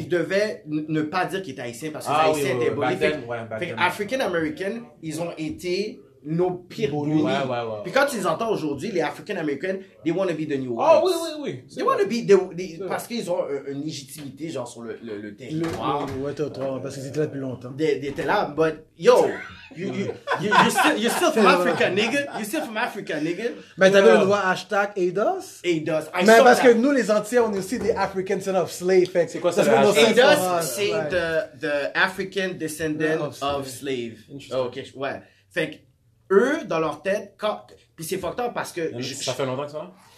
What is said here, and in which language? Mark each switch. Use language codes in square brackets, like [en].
[fr] Il devait ne pas dire qu'il était haïtien parce que les haïtiens étaient bonnes. African American, ils ont été... nos pires bullies. Ouais, ouais, ouais. [en] Puis quand tu les entends aujourd'hui, les African Americans, they want to be the new whites. [fr] Ah oui, oui, oui. They want to be the, parce qu'ils ont une légitimité, genre, sur le territoire. Le, ouais, toi, parce qu'ils étaient là depuis longtemps. [en] They étaient là, but yo, you're still from Africa, nigga. You're still from Africa, nigga. [fr] Mais t'avais le droit hashtag ADOS. ADOS. Mais parce que nous, les Antilles, on est aussi des African son of slave. C'est quoi ça, [en] ADOS? ADOS, c'est the African descendant of slave. Ok, ouais. [fr] Fait que eux, dans leur tête, quand... puis c'est fucked up parce que. Ça fait longtemps que ça va?